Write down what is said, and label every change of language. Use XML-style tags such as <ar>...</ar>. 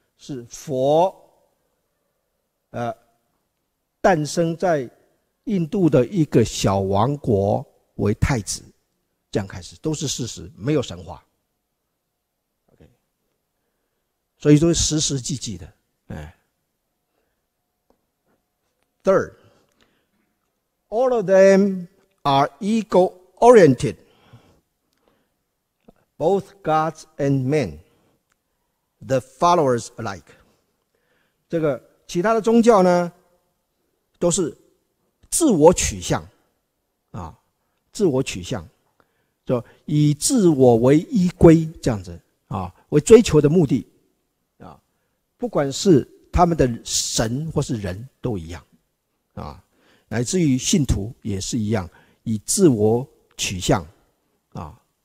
<zh>是佛诞生在印度的一个小王国为太子，这样开始，都是事实，没有神话。所以都是实实际际的，哎。</zh> <en>Third, all of them are ego-oriented, both gods and men, the followers alike.</en> <zh>这个其他的宗教呢，都是自我取向，啊，自我取向，就以自我为依归这样子，啊，为追求的目的。不管是他们的神或是人都一样啊，乃至于信徒也是一样，以自我取向啊。</zh>